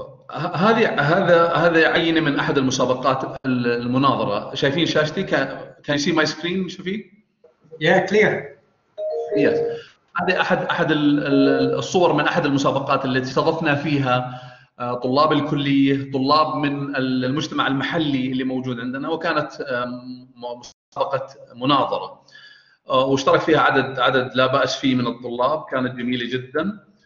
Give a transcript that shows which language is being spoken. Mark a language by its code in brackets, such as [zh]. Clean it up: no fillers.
[ar] هذا عينة من أحد المسابقات المناظرة. شايفين شاشتي؟ [en] Can you see my screen, Shafiq؟ Yeah, clear. Yes. [ar] هذه أحد الصور من أحد المسابقات التي استضفنا فيها طلاب الكلية، طلاب من المجتمع المحلي اللي موجود عندنا، وكانت مسابقة مناظرة واشترك فيها عدد لا بأس فيه من الطلاب، كانت جميلة جدا.